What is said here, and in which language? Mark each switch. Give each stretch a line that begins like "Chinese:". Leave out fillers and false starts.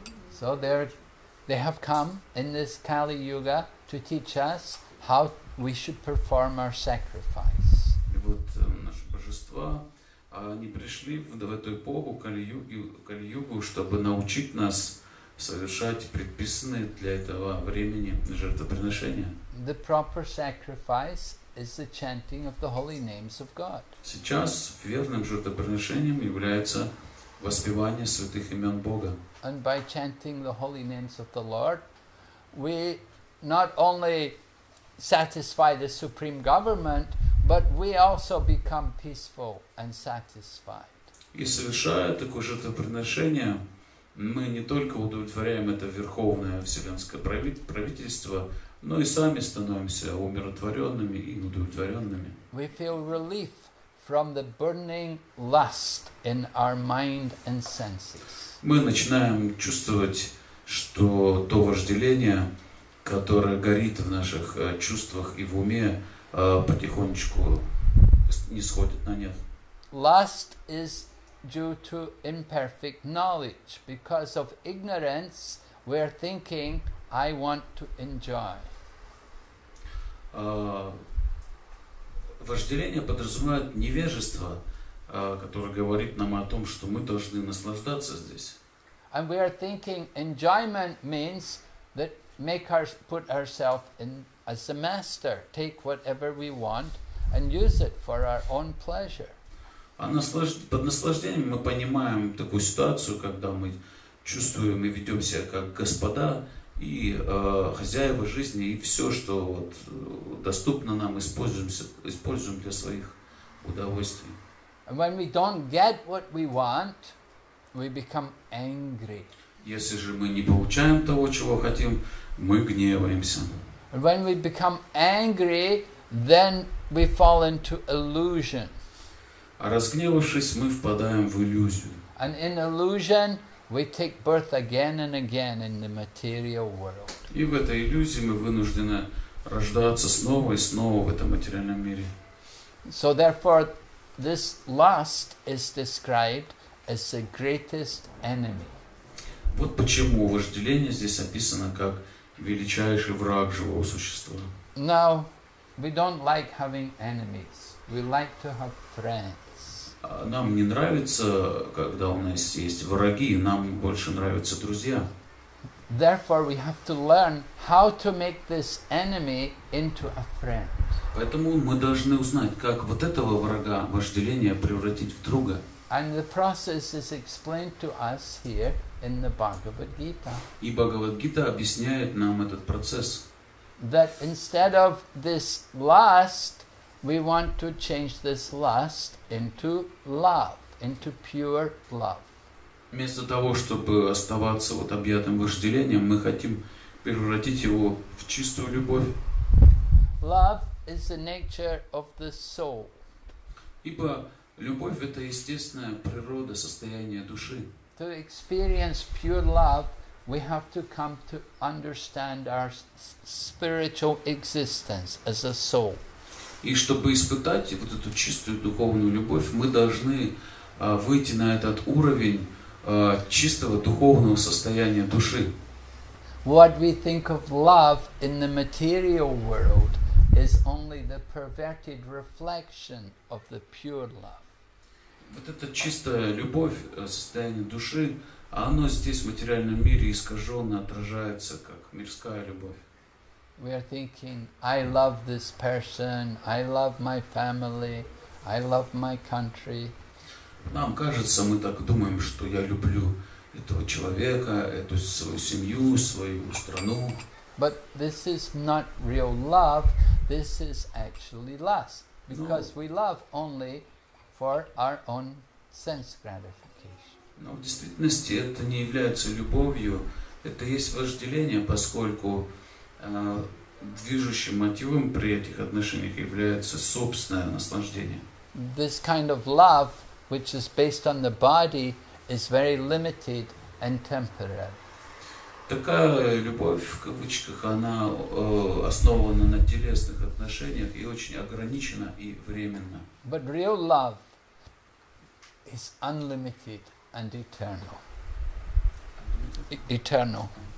English: So they have come in this Kali Yuga to teach us how we should perform our sacrifice.
Russian: И вот наши божества, они пришли в эту эпоху Кали-Югу, чтобы научить нас совершать предписанные для этого времени жертвоприношения.
English: The proper sacrifice is the chanting of the holy names of God.
Russian: Сейчас верным жертвоприношением является воспевание святых имен Бога.
English: And by chanting the holy names of the Lord, we not only satisfy the supreme government, but we also become peaceful and satisfied.
Russian: И совершая такое жертвоприношение, мы не только удовлетворяем это верховное вселенское правительство, но и сами становимся умиротворенными и удовлетворенными.
English: We feel relief from the burning lust in our mind and senses.
Russian: Мы начинаем чувствовать, что то вожделение, которое горит в наших чувствах и в уме, потихонечку нисходит на нет.
English: Lust is due to imperfect knowledge, because of ignorance, we are thinking, "I want to enjoy."
Russian: Вожделение подразумевает невежество, которое говорит нам о том, что мы должны наслаждаться здесь.
English: And we are thinking enjoyment means that put ourselves in as a master, take whatever we want and use it for our own pleasure.
Russian: Под наслаждением мы понимаем такую ситуацию, когда мы чувствуем и ведем себя как господа и хозяева жизни, и все, что вот, доступно нам, используем для своих удовольствий.
English: And when we don't get what we want, we become angry.
Russian: Если же мы не получаем того, чего хотим, мы гневаемся.
English: And when we become angry, then we fall into illusion.
Russian: А разгневавшись, мы впадаем в иллюзию.
English: And in illusion, we take birth again and again in the material world.
Russian: И в этой иллюзии мы вынуждены рождаться снова и снова в этом материальном мире.
English: So therefore, this lust is described as the greatest enemy.
Russian: Вот почему вожделение здесь описано как величайший враг живого существа.
English: Now, we don't like having enemies. We like to have friends.
Russian: Нам не нравится, когда у нас есть враги, нам больше нравятся друзья.
English: Therefore, we have to learn how to make this enemy into a friend.
Russian: Поэтому мы должны узнать, как вот этого врага, вожделения, превратить в друга.
English: And the process is explained to us here in the Bhagavad Gita.
Russian: И Бхагавад-гита объясняет нам этот процесс.
English: That instead of this lust, we want to change this lust into love, into pure love.
Russian: Вместо того, чтобы оставаться вот объятым вожделением, мы хотим превратить его в чистую любовь.
English: Love is the nature of the soul.
Russian: Ибо любовь – это естественная природа, состояние души.
English: To experience pure love, we have to come to understand our spiritual existence as a soul.
Russian: И чтобы испытать вот эту чистую духовную любовь, мы должны выйти на этот уровень чистого духовного состояния души.
English: What we think of love in the material world is only the perverted reflection of the pure love.
Russian: Вот эта чистая любовь, состояние души, оно здесь в материальном мире искаженно отражается как мирская любовь.
English: We are thinking, I love this person, I love my family, I love my country.
Russian: Нам кажется, мы так думаем, что я люблю этого человека, эту свою семью, свою страну.
English: But this is not real love. This is actually lust, because we love only for our own sense gratification.
Russian: Но в действительности это не является любовью. Это есть вожделение, поскольку движущим мотивом при этих отношениях является собственное наслаждение.
English: This kind of love, which is based on the body, is very limited and temporary.
Russian: Такая любовь, в кавычках, она основана на телесных отношениях и очень ограничена и временна.
English: But real love is unlimited and eternal. Eternal.